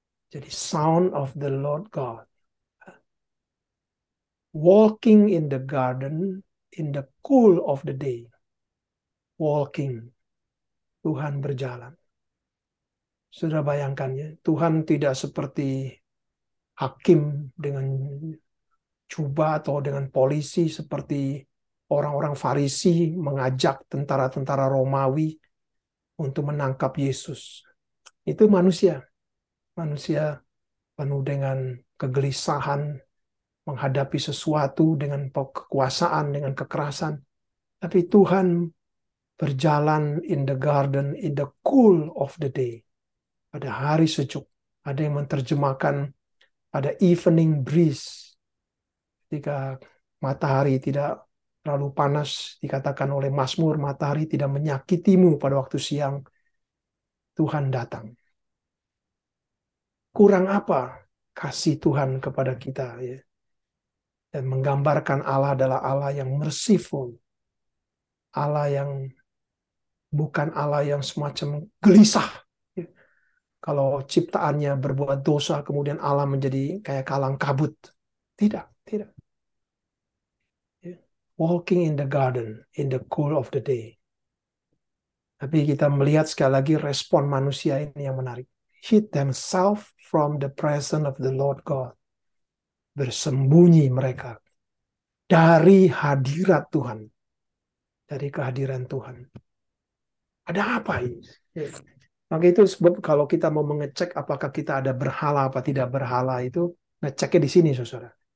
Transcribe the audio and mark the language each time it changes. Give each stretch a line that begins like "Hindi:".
English: Jadi, "sound of the Lord God walking in the garden in the cool of the day."
Indonesian: Walking, Tuhan berjalan. Sudah bayangkannya, Tuhan tidak seperti hakim dengan jubah atau dengan polisi seperti orang-orang Farisi mengajak tentara-tentara Romawi untuk menangkap Yesus. Itu manusia. Manusia penuh dengan kegelisahan, menghadapi sesuatu dengan kekuasaan, dengan kekerasan. Tapi Tuhan berjalan
English: in the garden, in the cool of the day.
Indonesian: Pada hari sejuk. Ada yang menerjemahkan pada evening breeze. Ketika matahari tidak terlalu panas, dikatakan oleh Mazmur, matahari tidak menyakitimu pada waktu siang, Tuhan datang. Kurang apa kasih Tuhan kepada kita, ya? Dan menggambarkan Allah adalah Allah yang merciful, Allah yang bukan Allah yang semacam gelisah, ya? Kalau ciptaannya berbuat dosa, kemudian Allah menjadi kayak kalang kabut. Tidak, tidak.
English: Walking in the garden, in the cool of the day.
Indonesian: Tapi kita melihat sekali lagi respon manusia ini yang menarik.
English: Hid themselves from the presence of the Lord God.
Indonesian: Bersembunyi mereka dari hadirat Tuhan. Dari kehadiran Tuhan. Ada apa ini? Maka itu sebab kalau kita mau mengecek apakah kita ada berhala apa tidak berhala itu, ngeceknya di sini, saudara.